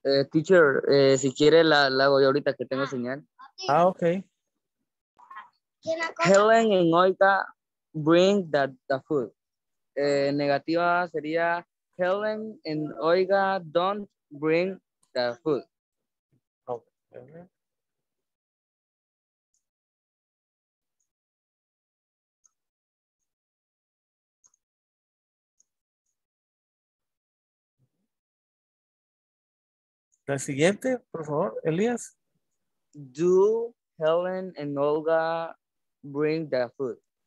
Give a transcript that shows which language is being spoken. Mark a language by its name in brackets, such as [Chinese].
[Spanish] Teacher, si quiere la hago yo ahorita que tengo señal. Ah, okay. [English] Helen and Olga bring the food. [Spanish] Negativa sería [English] Helen and Olga don't bring the food. [Spanish] La siguiente, por favor, Elías. [English] Do Helen and Olga bring the food?